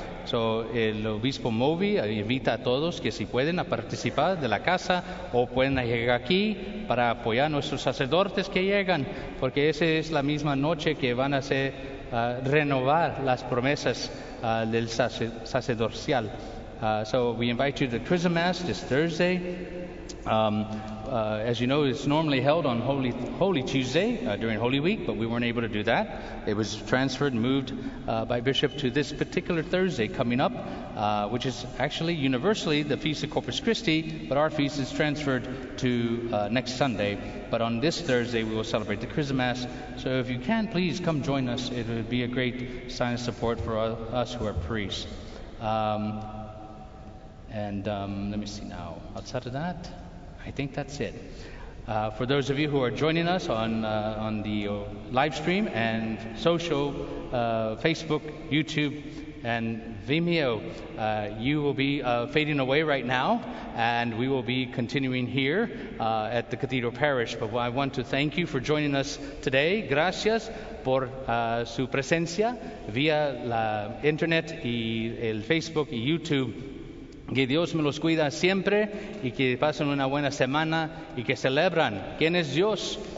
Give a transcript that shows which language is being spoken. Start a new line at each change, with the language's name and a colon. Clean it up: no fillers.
Spanish: So, el obispo Moby invita a todos que si pueden a participar de la casa o pueden llegar aquí para apoyar a nuestros sacerdotes que llegan, porque esa es la misma noche que van a hacer renovar las promesas del sacerdocial.
English: So we invite you to Chrism Mass this Thursday. As you know, it's normally held on Holy Tuesday during Holy Week, but we weren't able to do that. It was transferred and moved by Bishop to this particular Thursday coming up, which is actually universally the Feast of Corpus Christi, but our feast is transferred to next Sunday. But on this Thursday, we will celebrate the Chrism Mass. So if you can, please come join us. It would be a great sign of support for us who are priests. Let me see now. Outside of that, I think that's it. For those of you who are joining us on the live stream and social, Facebook, YouTube, and Vimeo, you will be fading away right now, and we will be continuing here at the Cathedral Parish. But I want to thank you for joining us today.
Spanish: Gracias por su presencia vía la internet y el Facebook y YouTube. Que Dios me los cuida siempre y que pasen una buena semana y que celebran quién es Dios.